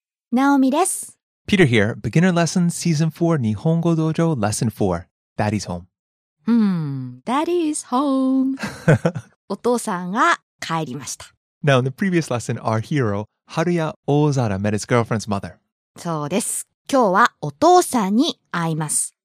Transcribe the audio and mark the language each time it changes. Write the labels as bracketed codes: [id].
[ja] ナオミです。 [en] Peter here. Beginner Lesson Season 4 Nihongo Dojo Lesson 4. Daddy's Home. Daddy's Home. [ja] お父さんが帰りました。 [en] Now, in the previous lesson, our hero, Haruya Ozawa, met his girlfriend's mother. [ja] そうです。今日はお父さんに会います。